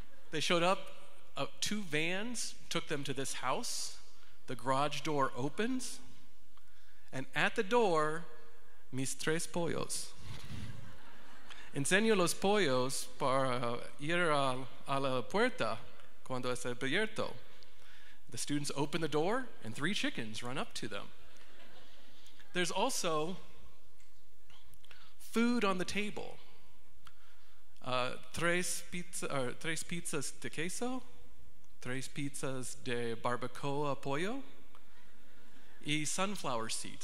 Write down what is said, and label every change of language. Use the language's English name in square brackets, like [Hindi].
[English] They showed up, two vans took them to this house, the garage door opens, and at the door, [Spanish] mis tres pollos. Enseño los pollos para ir a la puerta cuando está abierto. [English] The students open the door, and three chickens run up to them. There's also food on the table. [Spanish] Tres pizzas de queso, tres pizzas de barbacoa pollo, y [English] sunflower seeds.